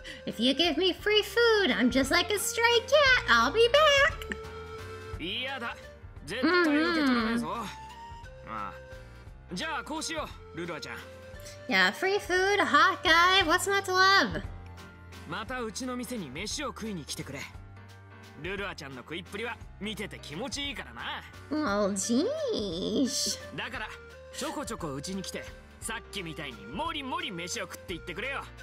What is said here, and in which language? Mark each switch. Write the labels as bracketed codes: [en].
[en] If you give me free food, I'm just like a stray cat! I'll be back! [ja] いやだ。絶対受け取らねえぞ。まあ、じゃあこうしよう、ルルアちゃん。 [en] Yeah, free food, hot guy, what's not to love? [ja] またうちの店に飯を食いに来てくれ。ルルアちゃんの食いっぷりは見てて気持ちいいからな。 [en] Well, geez. [ja] だからちょこちょこうちに来て、さっきみたいにもりもり飯を食って行ってくれよ。